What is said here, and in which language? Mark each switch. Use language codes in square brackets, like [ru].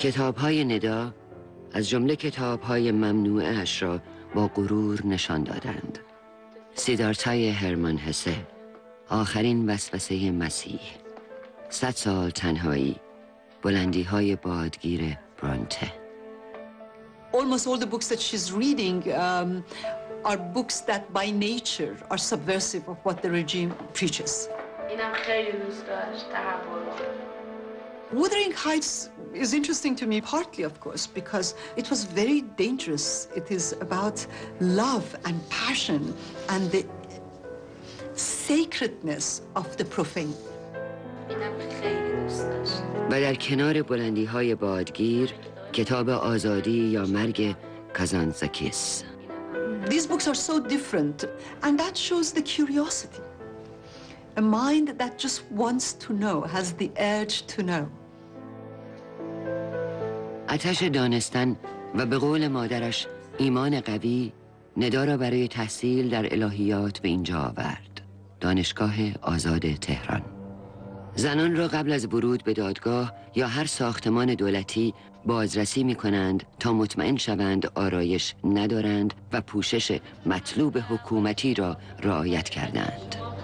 [fa] کتاب های ندا از جمله کتاب های ممنوعه اش را با غرور نشان دادند. سیدارتای هرمان هسه، آخرین وسوسه مسیح، 100 سال تنهایی، بلندی های بادگیر برونته. [en] Almost all the books that she's reading are books that by nature are subversive of what the regime preaches. [fa] اینم خیلی دوست داشت تحول. [en] Wuthering Heights is interesting to me partly, of course, because it was very dangerous. It is about love and passion and the sacredness of the profane. [fa] و در کنار بلندی های بادگیر، کتاب آزادی یا مرگ کازانتزاکیس. [en] These books are so different, and that shows the curiosity. A mind that just wants to know, has the urge to know. [fa] آتش دانستن و به قول مادرش ایمان قوی، ندا را برای تحصیل در الهیات به اینجا آورد، دانشگاه آزاد تهران. زنان را قبل از ورود به دادگاه یا هر ساختمان دولتی بازرسی می کنند تا مطمئن شوند آرایش ندارند و پوشش مطلوب حکومتی را رعایت کردند.